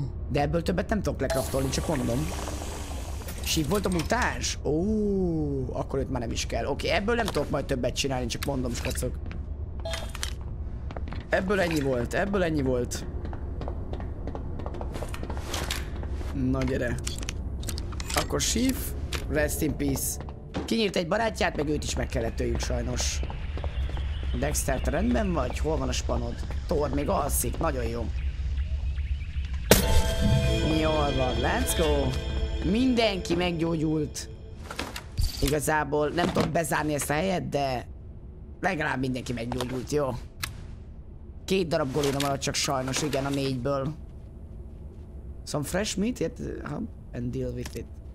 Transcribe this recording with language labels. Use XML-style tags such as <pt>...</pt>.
<hu>De ebből többet nem tudok lecraftolni, csak mondom. Chief volt a mutáns? Ó, akkor őt már nem is kell. Oké, ebből nem tudok majd többet csinálni, csak mondom, skacok. Ebből ennyi volt, ebből ennyi volt. Na gyere. Akkor Chief,</hu> <en>rest in peace.</en> <hu>Kinyírt egy barátját, meg őt is meg kellett öljük sajnos. Dexter, te rendben vagy? Hol van a spanod? Thor még alszik, nagyon jó. Jól van,</hu> <en>let's go!</en> <hu>Mindenki meggyógyult. Igazából nem tudom bezárni ezt a helyet, de... legalább mindenki meggyógyult, jó? Két darab golina maradt csak sajnos, igen, a négyből.</hu> <en>Some fresh meat, yet, and deal with it.</en>